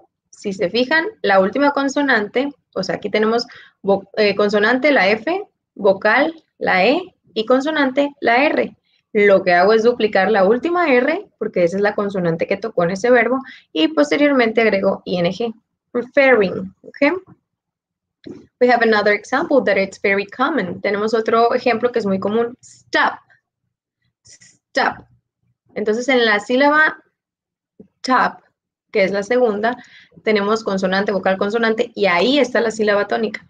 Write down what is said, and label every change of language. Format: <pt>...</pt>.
<es>Si se fijan, la última consonante, o sea, aquí tenemos consonante, la F, vocal, la E, y consonante, la R. Lo que hago es duplicar la última R, porque esa es la consonante que tocó en ese verbo, y posteriormente agrego ing, preferring, ¿ok?</es> <en>We have another example that it's very common.</en> <es>Tenemos otro ejemplo que es muy común, stop, stop. Entonces, en la sílaba top, que es la segunda, tenemos consonante, vocal, consonante, y ahí está la sílaba tónica.</es>